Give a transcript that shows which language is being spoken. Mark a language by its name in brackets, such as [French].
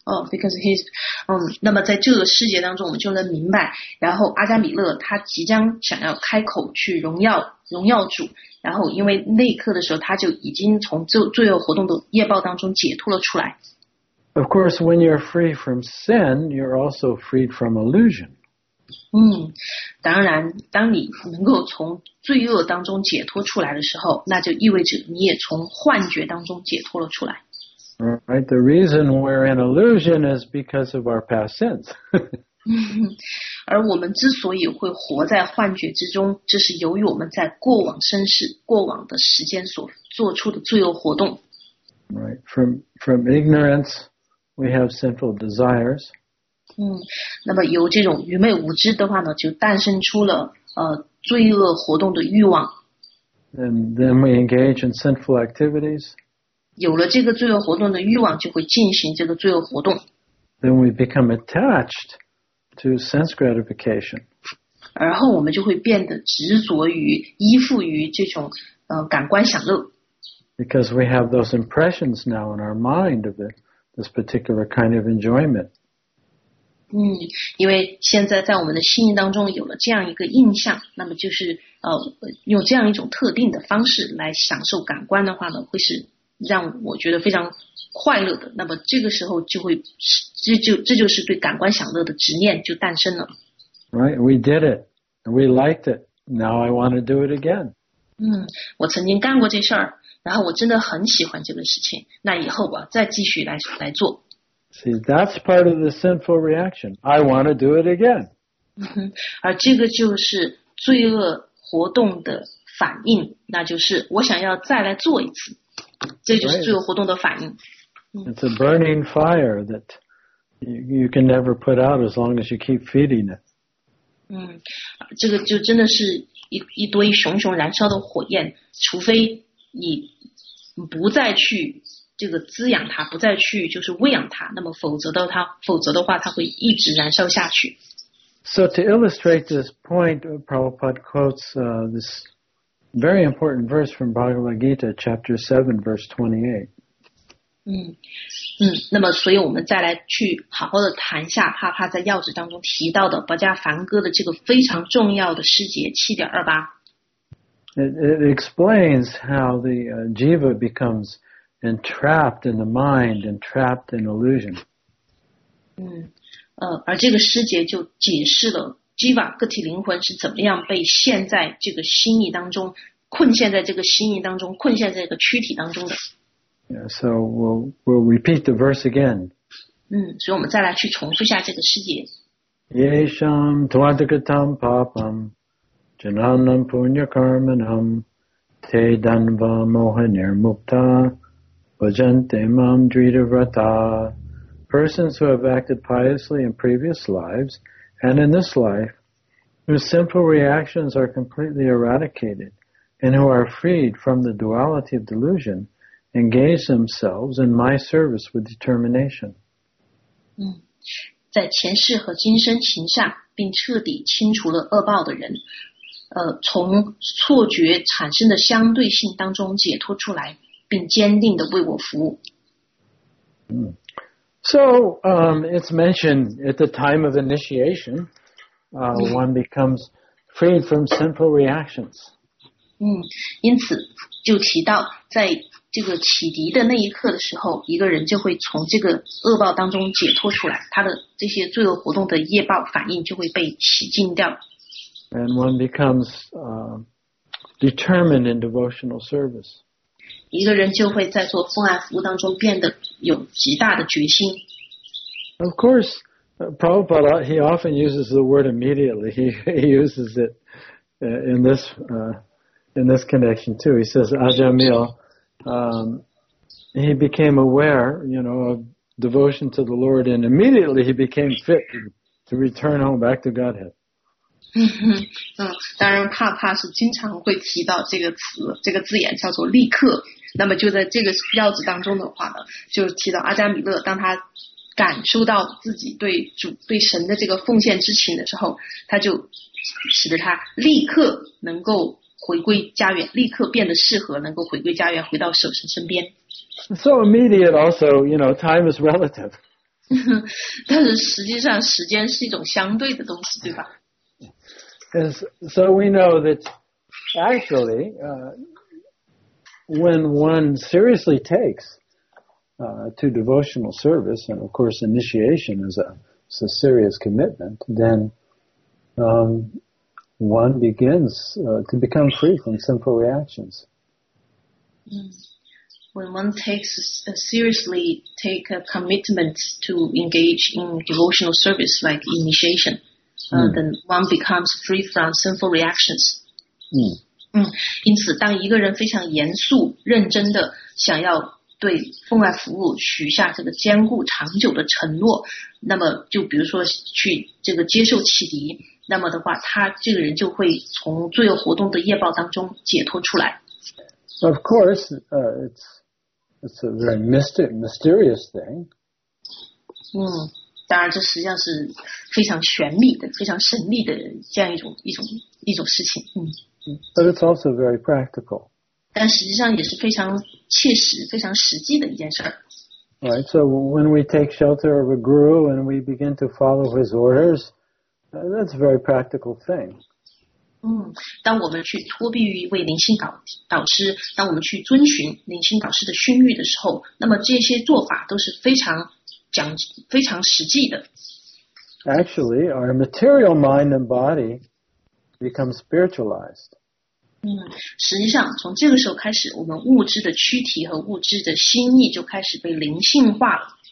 [English] Because he's [Chinese] 那么在这个世界当中，我们就能明白，然后阿加米勒他即将想要开口去荣耀主，然后因为那一刻的时候，他就已经从罪恶活动的业报当中解脱了出来。 [English] Of course, when you're free from sin, you're also freed from illusion. [Chinese] 当然，当你能够从罪恶当中解脱出来的时候，那就意味着你也从幻觉当中解脱了出来。 [English] Right, the reason we're in illusion is because of our past sins. [Chinese] 而我们之所以会活在幻觉之中，这是由于我们在过往生世、过往的时间所做出的罪恶活动。 [English] Right, from ignorance, we have sinful desires. [Chinese] 那么由这种愚昧无知的话呢，就诞生出了罪恶活动的欲望。 [English] And then we engage in sinful activities. [Chinese] 有了这个罪恶活动的欲望，就会进行这个罪恶活动。 [English] Then we become attached to sense gratification. [Chinese] 而后我们就会变得执着于、依附于这种感官享乐。 [English] Because we have those impressions now in our mind of this particular kind of enjoyment. [Chinese] 因为现在在我们的心灵当中有了这样一个印象，那么就是用这样一种特定的方式来享受感官的话呢，会是让我觉得非常快乐的，那么这个时候就会，这就是对感官享乐的执念就诞生了。 [English] Right, we did it. We liked it. Now I want to do it again. [Chinese] 我曾经干过这事儿，然后我真的很喜欢这个事情，那以后我再继续来做。 [English] See, that's part of the sinful reaction. I want to do it again. [Chinese] 而这个就是罪恶活动的反应，那就是我想要再来做一次。这就是罪恶活动的反应。 [English] It's a burning fire that you can never put out as long as you keep feeding it. [Chinese] 这个就真的是 一堆熊熊燃烧的火焰，除非你不再去这个滋养它，不再去就是喂养它，那么否则的话它会一直燃烧下去。 [English] So to illustrate this point, Prabhupada quotes this very important verse from Bhagavad Gita, chapter 7, verse 28. [Chinese] 那么所以我们再来去好好的谈一下他在要旨当中提到的薄伽梵歌的这个非常重要的诗节 7.28. [English] It explains how the jiva becomes entrapped in the mind, entrapped in illusion. [Chinese] 而这个诗节就解释了 Jiva 个体灵魂是怎么样被陷在这个心意当中，困陷在这个心意当中，困陷在这个躯体当中的。 [English] Yeah, so we'll repeat the verse again. [Chinese] 所以我们再来去重复一下这个诗节。 [Sanskrit] Yesham tvadgatam papam jananam punyakarmanam te danva mohanir mukta vajante mam dridhavrata. [English] Persons who have acted piously in previous lives and in this life, whose simple reactions are completely eradicated, and who are freed from the duality of delusion, engage themselves in my service with determination. [Chinese] 在前世和今生行善，并彻底清除了恶报的人，从错觉产生的相对性当中解脱出来，并坚定地为我服务。 [English] So, it's mentioned at the time of initiation, one becomes freed from sinful reactions. [Chinese] 因此就提到在这个启迪的那一刻的时候，一个人就会从这个恶报当中解脱出来，他的这些罪恶活动的业报反应就会被洗净掉。 [English] And one becomes, determined in devotional service. [Chinese] 一个人就会在做奉爱服务当中变得有极大的决心。 [English] Of course, Prabhupada, he often uses the word immediately. He uses it in this connection too. He says, Ajamil, he became aware, you know, of devotion to the Lord, and immediately he became fit to return home back to Godhead. [Chinese] 当然帕帕是经常会提到这个词，这个字眼叫做立刻，那么就在这个要旨当中的话呢，就提到阿迦米勒，当他感受到自己对主对神的这个奉献之情的时候，他就使得他立刻能够回归家园，立刻变得适合能够回归家园，回到守神身边。 [English] So immediate also, you know, time is relative. [Chinese] 但是实际上时间是一种相对的东西，对吧？ [English] Is, so we know that actually, when one seriously takes to devotional service, and of course initiation is a serious commitment, then one begins to become free from sinful reactions. When one takes a commitment to engage in devotional service like initiation,then one becomes free from sinful reactions. [Chinese] 因此当一个人非常严肃认真的想要对奉爱服务许下这个坚固长久的承诺，那么就比如说去这个接受启迪，那么的话他这个人就会从罪恶活动的业报当中解脱出来。 [English] Of course, it's it's a very mysterious thing. [Chinese] 当然这实际上是非常玄秘的非常神秘的这样一种事情。 [English] But it's also very practical. [Chinese] 但实际上也是非常切实非常实际的一件事儿。 [English] Right, so when we take shelter of a guru and we begin to follow his orders, that's a very practical thing. [Chinese] 当我们去托庇于一位灵性导师，当我们去遵循灵性导师的训谕的时候，那么这些做法都是非常实际的。 [English] Actually, our material mind and body become spiritualized. [Chinese] 实际上从这个时候开始，我们物质的躯体和物质的心意就开始被灵性化了。